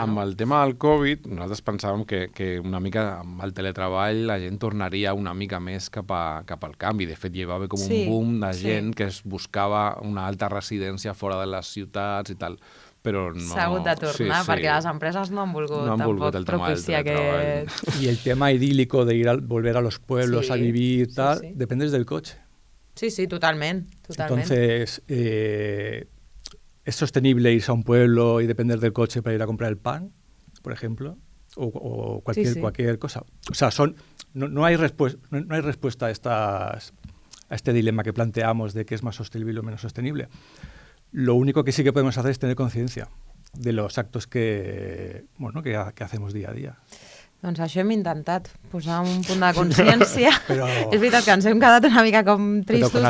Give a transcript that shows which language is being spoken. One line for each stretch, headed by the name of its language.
Catalan: Amb el tema del Covid, nosaltres pensàvem que una mica amb el teletreball la gent tornaria una mica més cap al camp i de fet hi va haver com un boom de gent que es buscava una alta residència fora de les ciutats i tal. Però no... S'ha hagut de tornar, perquè les empreses no han volgut el tema del treball.
Spanish: I el tema idílico de volver a los pueblos a vivir, tal, dependes del coche.
Catalan: Sí, sí, totalment.
Spanish: Entonces, ¿es sostenible irse a un pueblo y depender del coche para ir a comprar el pan, por ejemplo? O cualquier cosa. O sea, no hay respuesta a este dilema que planteamos de qué es más sostenible o menos sostenible. Lo único que sí que podemos hacer es tener conciencia de los actos que hacemos día a día.
Catalan: Doncs això hem intentat, posar un punt de consciència. És veritat que ens hem quedat una mica com tristos,